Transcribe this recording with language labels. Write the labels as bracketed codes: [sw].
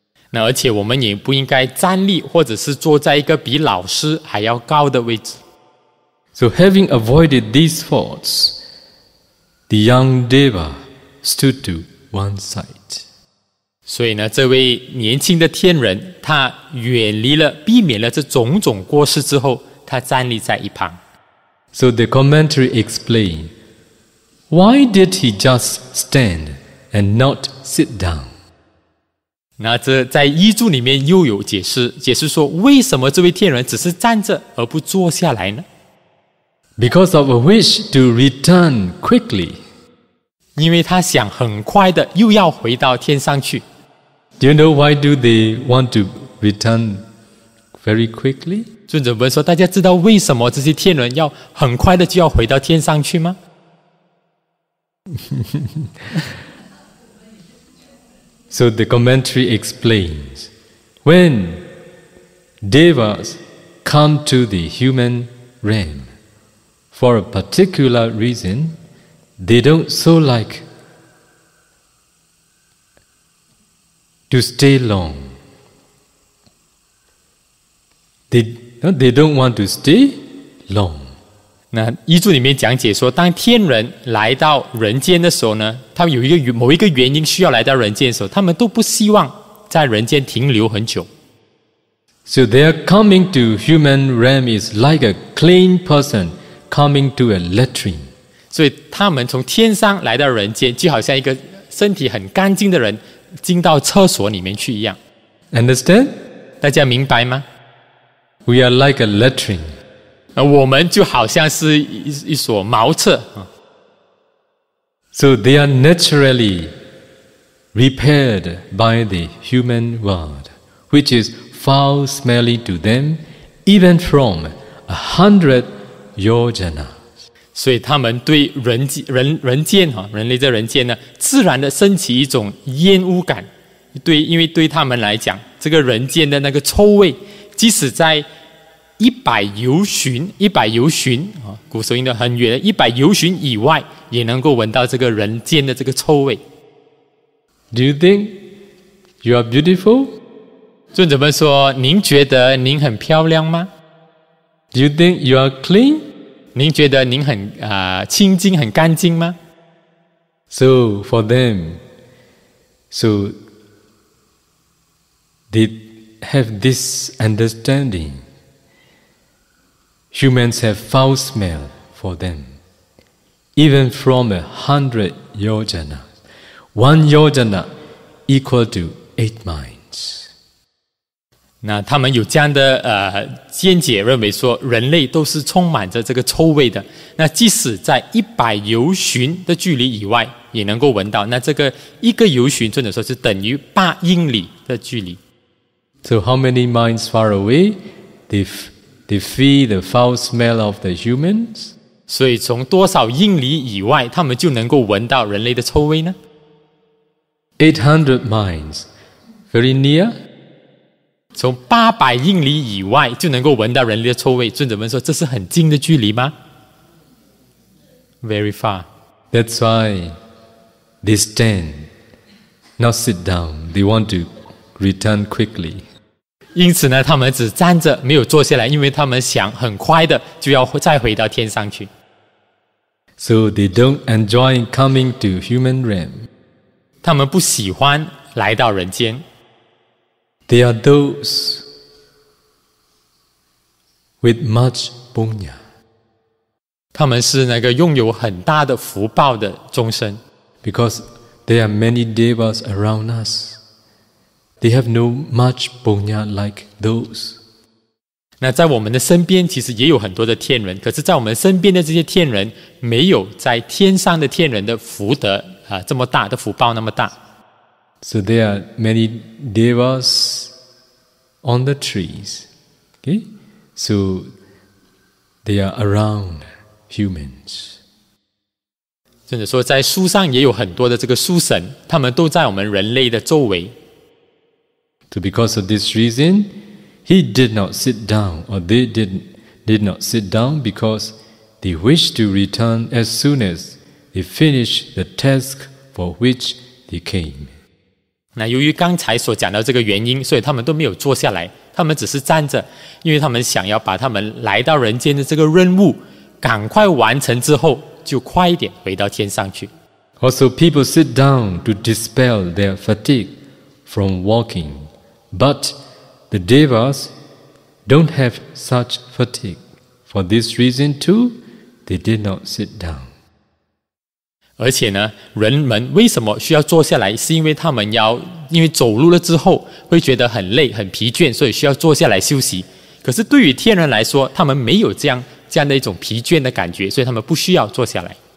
[zh] 那而且我们也不应该站立，或者是坐在一个比老师还要高的位置。 [en] So, having avoided these faults, the young deva stood to one side. [zh] 所以呢，这位年轻的天人，他远离了，避免了这种种过失之后，他站立在一旁。 [en] So the commentary explained, why did he just stand and not sit down? [zh] 那这在译注里面又有解释，解释说为什么这位天人只是站着而不坐下来呢？ [en] Because of a wish to return quickly. [zh] 因为他想很快的又要回到天上去。 [en] Do you know why do they want to return very quickly? [zh] 尊者问说，大家知道为什么这些天人要很快的就要回到天上去吗？ [en] So the commentary explains, when devas come to the human realm for a particular reason, they don't so like. To stay long, They don't want to stay long. [zh] 那一注里面讲解说，当天人来到人间的时候呢，他们有一个某一个原因需要来到人间的时候，他们都不希望在人间停留很久。 [en] So their coming to human realm is like a clean person coming to a latrine. [zh] 所以他们从天上来到人间，就好像一个身体很干净的人进到厕所里面去一样。 [en] Understand? [zh] 大家明白吗？ [en] We are like a latrine. [zh] 我们就好像是 一所茅厕。 [en] So they are naturally repaired by the human world, which is foul smelly to them, even from 100 yojanas. [zh] 所以他们对 人类在人间呢，自然的升起一种厌恶感。对，因为对他们来讲，这个人间的那个臭味，即使在一百由旬，古时候应该很远，100由旬以外，也能够闻到这个人间的这个臭味。 [en] Do you think you are beautiful? [zh] 尊者们说，您觉得您很漂亮吗 [en] ？Do you think you are clean? [zh] 您觉得您很清净、很干净吗 [en] ？So for them, so they have this understanding. Humans have foul smell for them, even from 100 yojanas. One yojana equal to 8 minds. [zh] 那他们有这样的见解，认为说人类都是充满着这个臭味的。那即使在100由旬的距离以外，也能够闻到。那这个一个由旬，或者说是等于8英里的距离。 [en] So how many miles far away? They feel the foul smell of the humans. [zh] 所以从多少英里以外，他们就能够闻到人类的臭味呢？ [en] 800 miles, very near. [zh] 从800英里以外就能够闻到人类的臭味。尊者们说，这是很近的距离吗？ [en] Very far. That's why they stand, not sit down. They want to return quickly. [zh] 因此呢，他们只站着没有坐下来，因为他们想很快的就要再回到天上去。 [en] So they don't enjoy coming to human realm. [zh] 他们不喜欢来到人间。 [en] They are those with much punya. [zh] 他们是那个拥有很大的福报的众生。 [en] Because there are many devas around us. They have no much punya like those. [zh] 那在我们的身边其实也有很多的天人，可是在我们身边的这些天人没有在天上的天人的福德这么大的福报那么大。 [en] So there are many devas on the trees. Okay? So they are around humans. [zh] 甚至说在树上也有很多的这个树神，他们都在我们人类的周围。 [en] So because of this reason, he did not sit down, or they did not sit down because they wished to return as soon as they finished the task for which they came. [zh] 那由于刚才所讲到这个原因，所以他们都没有坐下来，他们只是站着，因为他们想要把他们来到人间的这个任务赶快完成之后，就快一点回到天上去。 [en] Also, people sit down to dispel their fatigue from walking. But the devas don't have such fatigue. For this reason too, they did not sit down. [zh] 而且呢，人们为什么需要坐下来？是因为他们要，因为走路了之后会觉得很累、很疲倦，所以需要坐下来休息。可是对于天人来说，他们没有这样的一种疲倦的感觉，所以他们不需要坐下来。